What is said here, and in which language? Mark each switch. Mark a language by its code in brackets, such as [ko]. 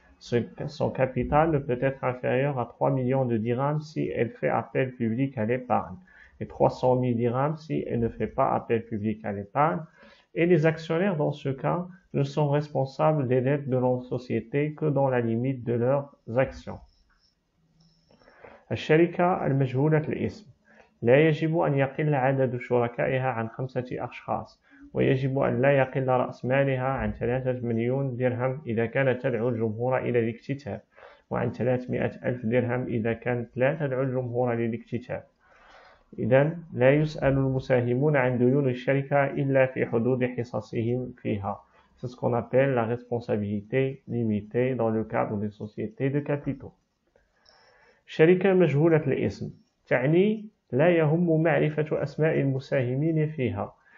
[fr] Son capital ne peut être inférieur à 3 millions de dirhams si elle fait appel public à l'épargne et 300 000 dirhams si elle ne fait pas appel public à l'épargne. Et les actionnaires, dans ce cas, ne sont responsables des dettes de leur société que dans la limite de leurs actions. [ar] الشركة المجهولة الاسم لا يجب أن يقل عدد شركائها عن 5 أشخاص ويجب أن لا يقل رأس مالها عن 3 مليون درهم إذا كانت تدعو الجمهور إلى الاكتتاب، وعن 300 ألف درهم إذا كانت لا تدعو الجمهور للاكتتاب. إذن لا يسأل المساهمون عن ديون الشركة إلا في حدود حصصهم فيها. [fr] C'est ce qu'on appelle la responsabilité limitée dans le cadre des sociétés de capitaux. [ar] شركة مجهولة الاسم تعني لا يهم معرفة أسماء المساهمين فيها.